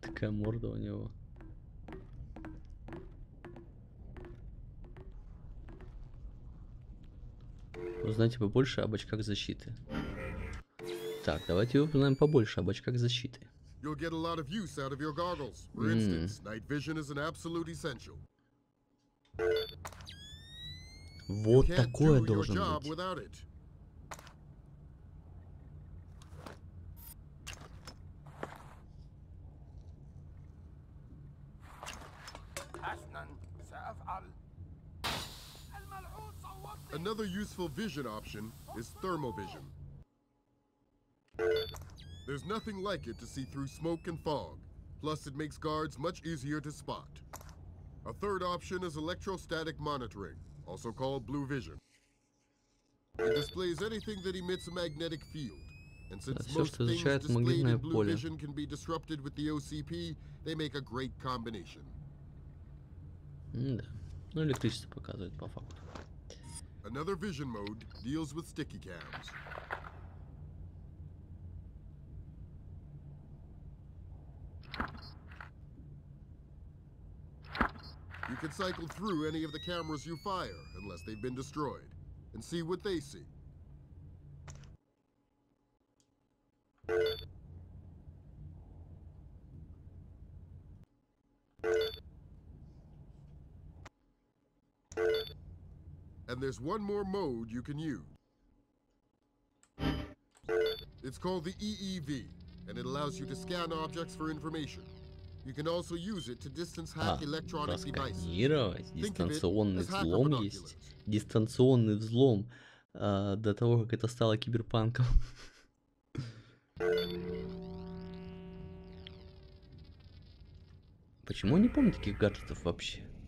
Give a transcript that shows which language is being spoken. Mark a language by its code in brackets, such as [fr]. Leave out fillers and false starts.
[ru] Морда у него. Узнайте побольше об очках защиты. Так, давайте узнаем побольше об очках защиты. [en] You'll get a lot of use out of your goggles. For instance, night vision is an absolute essential. [ru] Вот такое должно быть. [en] Another useful vision option is thermovision. There's nothing like it to see through smoke and fog. Plus, it makes guards much easier to spot. A third option is electrostatic monitoring, also called blue vision. It displays anything that emits a magnetic field. And since most things displayed in blue vision can be disrupted with the OCP, they make a great combination. [ru] Да, ну электричество показывает по факту. [en] Another vision mode deals with sticky cams. You can cycle through any of the cameras you fire, unless they've been destroyed, and see what they see. And there's one more mode you can use. It's called the EEV, and it allows you to scan objects for information. You can also use it to distance hack electronic devices. [ru] Сканировать, дистанционный взлом есть. Дистанционный взлом до того, как это стало киберпанком. Почему я не помню таких гаджетов вообще?